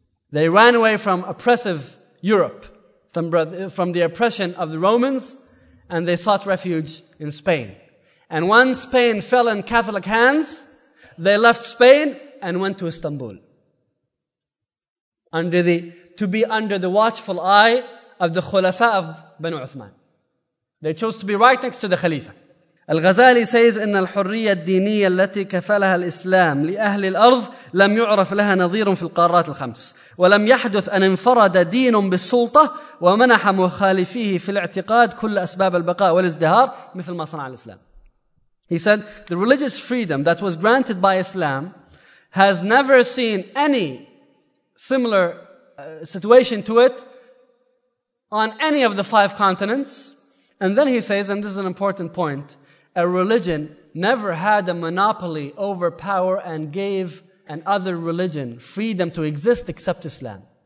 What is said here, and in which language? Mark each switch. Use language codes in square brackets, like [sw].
[en] They ran away from oppressive Europe, from the oppression of the Romans, and they sought refuge in Spain. And once Spain fell in Catholic hands, they left Spain and went to Istanbul. To be under the watchful eye of the Khulafa of Banu Uthman. They chose to be right next to the Khalifa. [ar] Al-Ghazali says, إن الحرية الدينية التي كفلها الإسلام لأهل الأرض لم يعرف لها نظير في القارات الخمس ولم يحدث أن انفرد دين بالسلطة ومنح مخالفيه في الاعتقاد كل أسباب البقاء والازدهار مثل ما صنع الإسلام. [en] He said, the religious freedom that was granted by Islam has never seen any similar situation to it on any of the five continents. And then he says, and this is an important point, a religion never had a monopoly over power and gave an other religion freedom to exist except Islam.